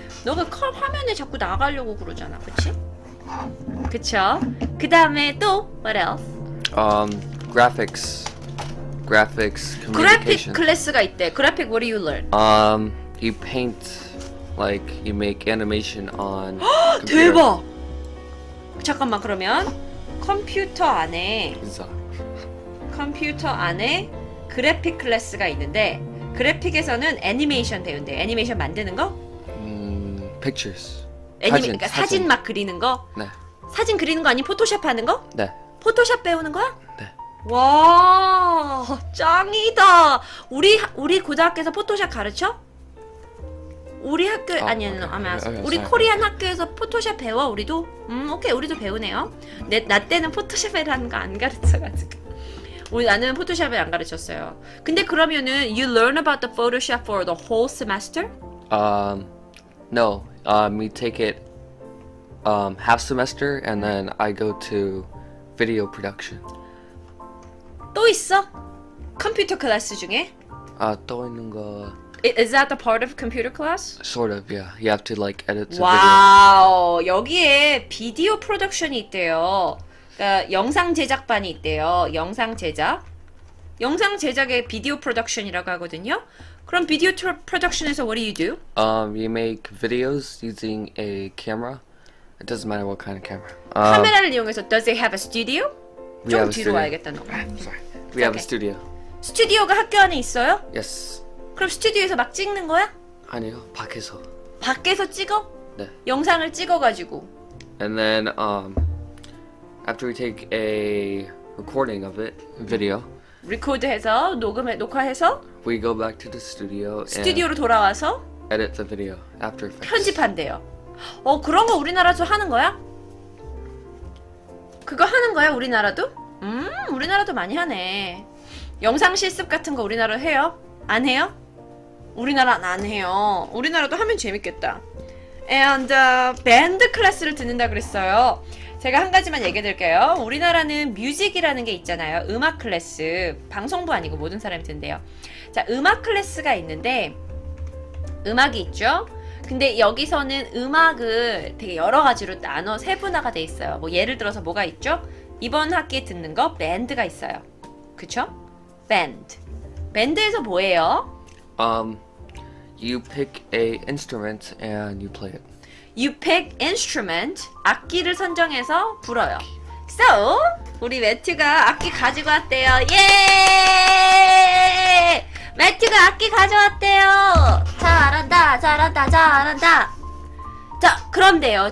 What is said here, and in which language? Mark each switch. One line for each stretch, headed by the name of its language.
Korean: 너가 컵 화면에 자꾸 나가려고 그러잖아, 그치? 그쵸? 그 다음에 또,
English: what else? Graphics. Graphics, communication.
Korean: 그래픽 클래스가 있대.
English: 그래픽, what do you learn? You paint, like, you make animation on
Korean: 대박! 잠깐만, 그러면 컴퓨터 안에 컴퓨터 안에 그래픽 클래스가 있는데 그래픽에서는 애니메이션 배운대. 애니메이션 만드는 거?
English: Pictures.
Korean: 그러니까 사진 막 그리는 거? 네. 사진 그리는 거 아니 포토샵 하는 거? 네. 포토샵 배우는 거야? 네. 와, 짱이다. 우리 고등학교에서 포토샵 가르쳐? 우리 학교 우리 코리안 학교에서 포토샵 배워 우리도? 오케이. 우리도 배우네요. 나 때는 포토샵이라는 거 안 가르쳐 가지고. 나는 포토샵을 안 가르쳤어요. 근데 그러면은
English: you learn about the Photoshop for the whole semester? No. We take it half semester and then I go to video production.
Korean: 또 있어? 컴퓨터 클래스 중에? 아, 또 있는 거.
English: Is that the part of computer class? Sort of, yeah. You have to like edit the video.
Korean: 여기에 비디오 프로덕션이 있대요. 영상 제작반이 있대요. 영상 제작. 영상 제작에 비디오 프로덕션이라고 하거든요. 그럼 비디오 프로덕션에서
English: what do you do? You make videos using a camera. It doesn't matter what kind of camera.
Korean: 카메라를 이용해서
English: does it have a studio?
Korean: 좀 뒤로 와야겠다, 너.
English: Sorry. We have a studio.
Korean: 스튜디오가 학교 안에 있어요?
English: Yes.
Korean: 그럼 스튜디오에서 막 찍는 거야? 아니요. 밖에서. 밖에서 찍어? 네. 영상을 찍어 가지고.
English: And then after we take a recording of it, video.
Korean: 리코드해서 녹화해서.
English: We go back to the studio.
Korean: 스튜디오로 돌아와서.
English: Edit the video after effects.
Korean: 편집한대요. 그런 거 우리나라도 하는 거야? 그거 하는 거야 우리나라도? 우리나라도 많이 하네. 영상 실습 같은 거 우리나라 해요? 안 해요? 우리나라는 안 해요. 우리나라도 하면 재밌겠다. And band 클래스를 듣는다 그랬어요. 제가 한 가지만 얘기해 드릴게요. 우리나라는 뮤직이라는 게 있잖아요. 음악 클래스. 방송부 아니고 모든 사람이 듣는데요. 자, 음악 클래스가 있는데 음악이 있죠? 근데 여기서는 음악을 되게 여러 가지로 나눠 세분화가 돼 있어요. 뭐 예를 들어서 뭐가 있죠? 이번 학기에 듣는 거 밴드가 있어요. 그쵸? 밴드. 밴드에서 뭐예요?
English: You pick a instrument and you play it. You pick instrument,
Korean: 악기를 선정해서 불어요. So, 우리 매튜가 악기 가지고 왔대요. 예! 매튜가 악기 가져왔대요. 잘한다, 잘한다, 잘한다. 자, 그런데요.